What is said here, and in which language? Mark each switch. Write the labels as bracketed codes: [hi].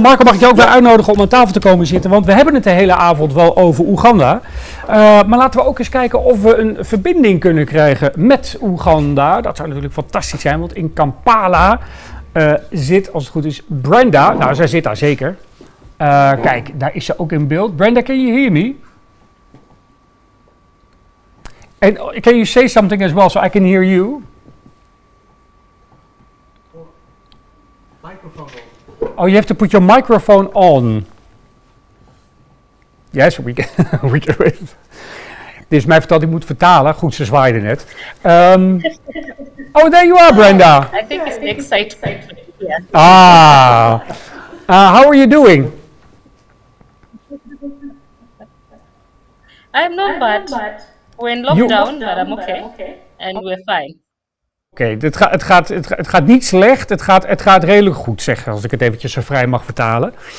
[nl] Marco, mag ik jou ook weer uitnodigen om aan tafel te komen zitten? Want we hebben het de hele avond wel over Oeganda. Maar laten we ook eens kijken of we een verbinding kunnen krijgen met Oeganda. Dat zou natuurlijk fantastisch zijn, want in Kampala zit, als het goed is, Brenda. Nou, zij zit daar zeker. Kijk, daar is ze ook in beeld. [en] Brenda, can you hear me? And can you say something as well, so I can hear you? Microphone on. Oh, you have to put your microphone on. Yes, we can wait. [nl] Dit is mij verteld, ik moet vertalen. Goed, ze zwaaide net. [en] Oh, there you are, Brenda. I think it's exciting. How are you doing? I'm not bad. We're in lockdown, but I'm okay. And we're fine. [nl] Oké, het gaat niet slecht, het gaat redelijk goed, zeg, als ik het eventjes zo vrij mag vertalen.